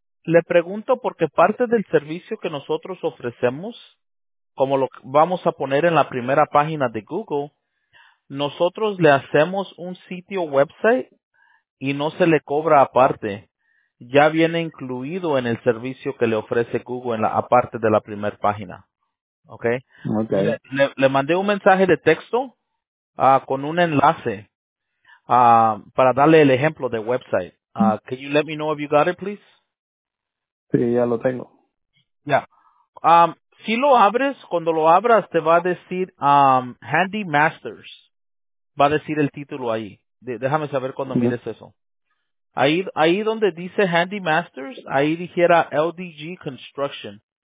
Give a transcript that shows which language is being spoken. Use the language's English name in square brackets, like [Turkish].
[Spanish] Le pregunto porque parte del servicio que nosotros ofrecemos, como lo vamos a poner en la primera página de Google, nosotros le hacemos un sitio website y no se le cobra aparte. Ya viene incluido en el servicio que le ofrece Google en la aparte de la primera página. [English] ¿Okay? Okay. [Spanish] Le mandé un mensaje de texto con un enlace para darle el ejemplo de website. [English] Can you let me know if you got it, please? [Spanish] Sí, ya lo tengo. Ya. Yeah. Si lo abres, cuando lo abras, te va a decir Handy Masters. Va a decir el título ahí. Déjame saber cuando mires eso. Ahí donde dice Handy Masters, ahí dijera LDG Construction.